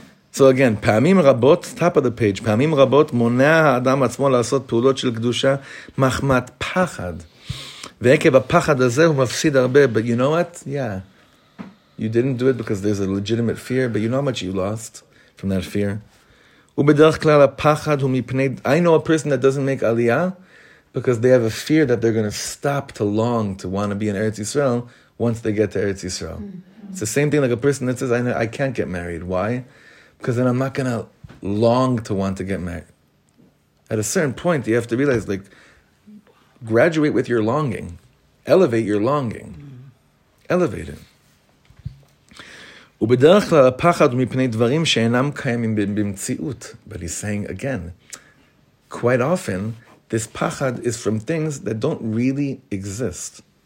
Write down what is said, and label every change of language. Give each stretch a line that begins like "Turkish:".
English: So again,
Hebrew: פעמים רבות,
English: top of the page,
Hebrew: פעמים רבות מונע האדם עצמו לעשות פעולות של קדושה, מחמת פחד. ועקב הפחד הזה הוא מפסיד הרבה,
English: but you know what? Yeah. You didn't do it because there's a legitimate fear, but you know how much you lost from that fear.
Hebrew: ובדרך כלל הפחד הוא מפני...
English: I know a person that doesn't make aliyah because they have a fear that they're going to stop to long to want to be in Eretz Yisrael once they get to Eretz Yisrael. It's the same thing like a person that says, I can't get married. Why? Because then I'm not going to long to want to get married. At a certain point, you have to realize, like, graduate with your longing. Elevate your longing. Elevate it.
Hebrew: ובדרך כלל הפחד מפני דברים שאינם קיימים במציאות.
English: But he's saying again, quite often, this pachad is from things that don't really exist.